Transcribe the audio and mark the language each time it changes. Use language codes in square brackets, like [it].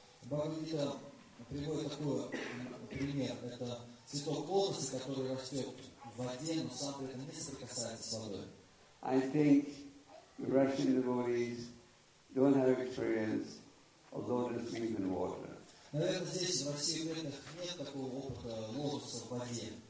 [ru] Bhagavad Gita приводит такой пример. Это цветок лотоса, который растет в воде, но сам при этом не соприкасается с водой. [en] I think the Russian devotees don't have experience of lotus leaf in water. [ru] Наверное, здесь во всех этих нет такого опыта лотоса в воде.